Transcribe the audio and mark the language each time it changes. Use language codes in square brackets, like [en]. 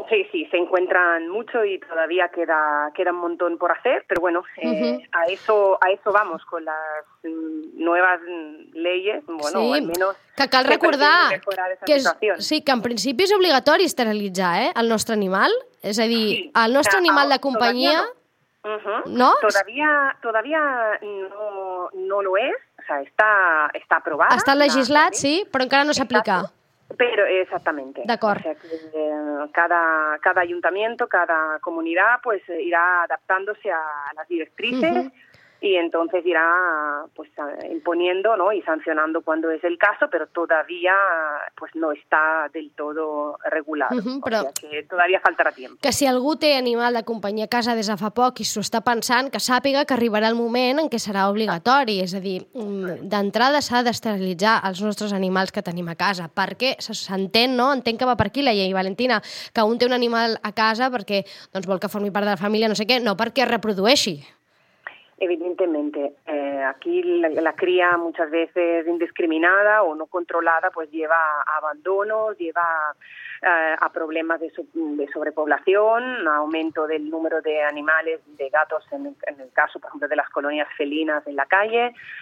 [es] Sí, se encuentran mucho y todavía queda un montón por hacer, pero bueno, a eso vamos con las nuevas leyes, sí, o al menos [ca] que cal recordar que és, sí, que en principi és obligatori esterilitzar, el nostre animal, és a dir, sí, el nostre animal de companyia. [es] Todavía no lo es, o sea, está aprobado. [ca] Està legislat, sí, però encara no s'aplica. [es] Pero exactamente. [ca] D'acord. [es] O sea, que cada ayuntamiento, cada comunidad, pues irá adaptándose a las directrices y entonces irá pues imponiendo, ¿no?, y sancionando cuando es el caso, pero todavía pues no está del todo regulado. [ca] Però [es] o sea, que todavía faltará tiempo. [ca] Que si algú té animal de companyia a casa des de fa poc i s'ho està pensant, que sàpiga que arribarà el moment en què serà obligatori. És a dir, d'entrada s'ha d'esterilitzar els nostres animals que tenim a casa, perquè s'entén, no? Entenc que va per aquí la llei, Valentina, que un té un animal a casa perquè doncs vol que formi part de la família, no sé què, no perquè es reprodueixi. [es] Evidentemente, aquí la cría muchas veces indiscriminada o no controlada pues lleva a abandonos, lleva a problemas de sobrepoblación, aumento del número de animales, de gatos en el caso, por ejemplo, de las colonias felinas en la calle.